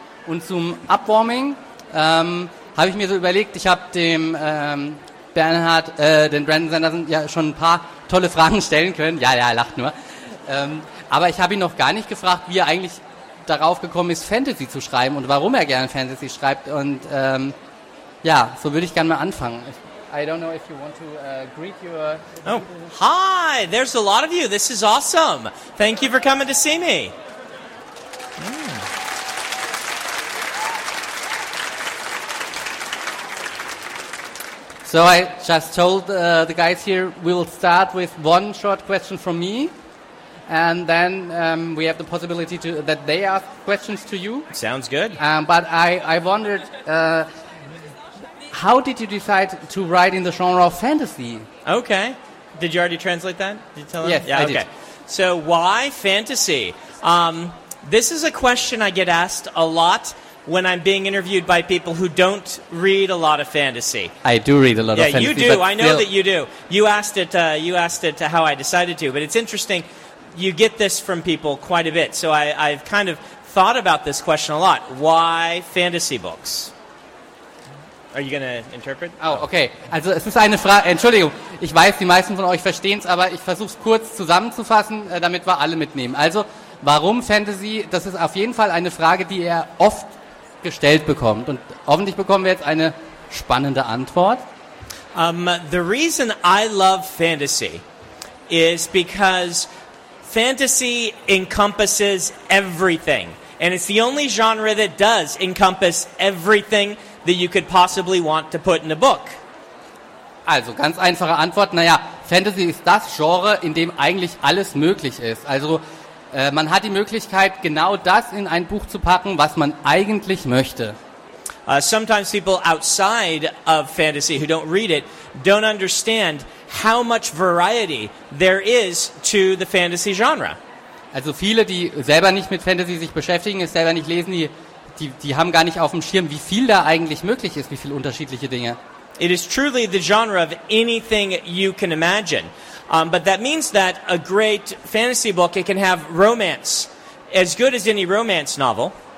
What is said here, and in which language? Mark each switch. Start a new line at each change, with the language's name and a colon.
German: Und zum Upwarming habe ich mir so überlegt, ich habe dem den Brandon Sanderson ja schon ein paar tolle Fragen stellen können. Ja, er lacht nur. Aber ich habe ihn noch gar nicht gefragt, wie er eigentlich darauf gekommen ist, Fantasy zu schreiben und warum er gerne Fantasy schreibt. Und so würde ich gerne mal anfangen.
English: I don't know if you want to greet your... Oh, hi, there's a lot of you. This is awesome. Thank you for coming to see me. So I just told the guys here, we'll start with one short question from me. And then we have the possibility to that they ask questions to you. Sounds good. But I wondered, how did you decide to write in the genre of fantasy? Okay. Did you already translate that? Did you tell them? Yes, yeah, I okay. did. So why fantasy? This is a question I get asked a lot when I'm being interviewed by people who don't read a lot of fantasy. I do read a lot of fantasy. Yeah, you do. I know that you do. You asked it how I decided to, but it's interesting. You get this from people quite a bit, so I've kind of thought about this question a lot. Why fantasy books? Are you going to interpret? Oh, okay.
German: Also es ist eine Frage, Entschuldigung, ich weiß, die meisten von euch verstehen es, aber ich versuche es kurz zusammenzufassen, damit wir alle mitnehmen. Also, warum Fantasy? Das ist auf jeden Fall eine Frage, die er oft gestellt bekommt. Und hoffentlich bekommen wir jetzt eine spannende Antwort.
English: The reason I love fantasy is because fantasy encompasses everything, and it's the only genre that does encompass everything that you could possibly want to put in a book.
German: Also, ganz einfache Antwort. Naja, Fantasy ist das Genre, in dem eigentlich alles möglich ist. Also, man hat die Möglichkeit, genau das in ein Buch zu packen, was man eigentlich möchte.
English: Sometimes people outside of fantasy who don't read it don't understand how much variety there is to the fantasy genre.
German: Also viele, die selber nicht mit Fantasy sich beschäftigen, es selber nicht lesen, die haben gar nicht auf dem Schirm, wie viel da eigentlich möglich ist, wie viele unterschiedliche Dinge.
English: It is truly the genre of anything you can imagine. But that means that a great fantasy book, it can have romance as good as any romance novel.